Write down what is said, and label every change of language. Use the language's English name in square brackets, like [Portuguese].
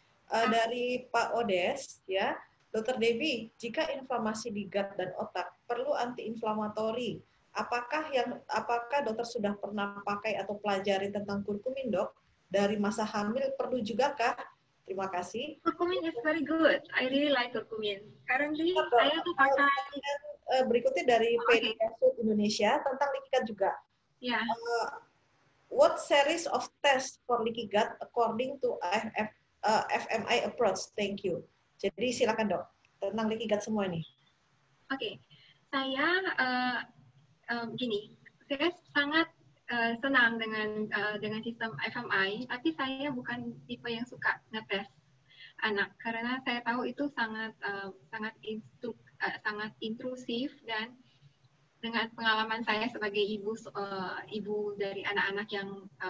[Indonesian] Dari Pak Odes, ya, Dokter Devi, jika inflamasi di gut dan otak perlu antiinflamatori, apakah dokter sudah pernah pakai atau pelajari tentang kurkumin, Dok? Dari masa hamil perlu juga kah? Terima kasih. [English] Kurkumin is very good. I really like kurkumin. Currently, saya tuh pakai. [Indonesian] Berikutnya dari PDF Indonesia tentang leaky gut juga. Ya. [English] What series of tests for leaky gut according to IFF? [Indonesian] FMI approach, thank you. Jadi silakan Dok, tentang leaky gut semua ini. Oke, saya gini, saya sangat senang dengan sistem FMI, tapi saya bukan tipe yang suka ngetes anak, karena saya tahu itu sangat intrusif dan dengan pengalaman saya sebagai ibu dari anak-anak yang